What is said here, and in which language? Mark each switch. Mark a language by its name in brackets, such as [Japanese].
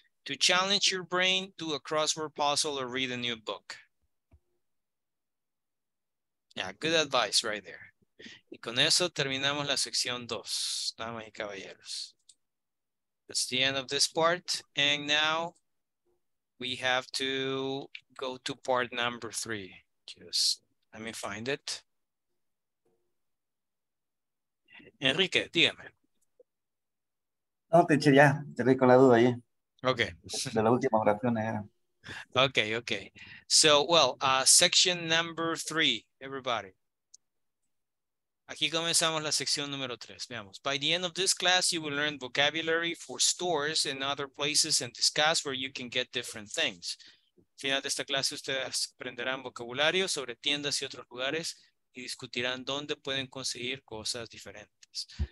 [English] To challenge your brain, do a crossword puzzle or read a new book. Yeah, good advice right there. [Spanish] Y con eso terminamos la sección 2, damas y caballeros. [English] That's the end of this part. And now we have to go to part number 3. Just let me find it. [Spanish] Enrique, dígame. No, te eché ya. Te dejé con la duda ahí. Ok. De la última oración era. [English] Ok, ok. So, well, section number 3, everybody. [Spanish] Aquí comenzamos la sección número 3. Veamos. [English] By the end of this class, you will learn vocabulary for stores and other places and discuss where you can get different things. [Spanish] Al final de esta clase, ustedes aprenderán vocabulario sobre tiendas y otros lugares y discutirán dónde pueden conseguir cosas diferentes.